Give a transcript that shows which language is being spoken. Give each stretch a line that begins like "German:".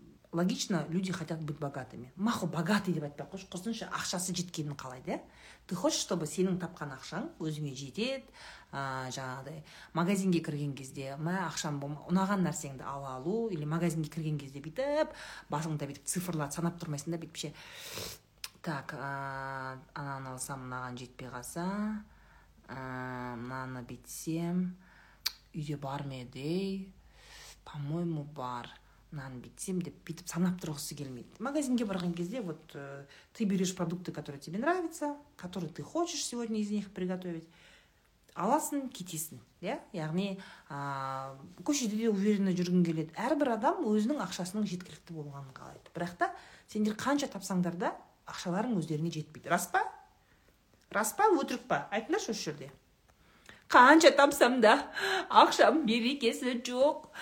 Russian: Логично, люди хотят быть богатыми.
Kazakh: Маху богатый деп айтпай қойшы, қойсыншы ақшасы жеткенін қалайды.
Russian: Ты хочешь, чтобы
Kazakh: сенің тапқан ақшаң өзіңе жетеді, жаңағыдай, магазинге кірген кезде, ма ақшам болма, ұнаған нәрсеңді алу, или магазинге кірген кезде бүйтіп, басыңда бүйтіп цифрлар санап тұрмайсың да, бүйтіпше. Так, ананы алсам, мынаған жетпей қалса, мынаны бүйтсем, үйде бар ма еді,
Russian: по-моему,
Kazakh: бар. Нан бітсем деп бітіп санап тұрғысы келмейді. Магазинге барған кезде
Russian: вот ты берешь продукты, которые тебе нравятся, которые ты хочешь сегодня из них приготовить.
Kazakh: Аласың, кетесің, иә? Яғни, көшеде де
Russian: уверенно
Kazakh: жүргің келеді. Әрбір адам өзінің ақшасының жеткілікті болғанын қалайды. Бірақ та сендер қанша тапсаңдар да, ақшаларың өздеріңе жетпейді. Рас па? Рас па, өтірік па? Айтыңдаршы осы жерде. Қанша тапсам да, ақшам берекесі жоқ.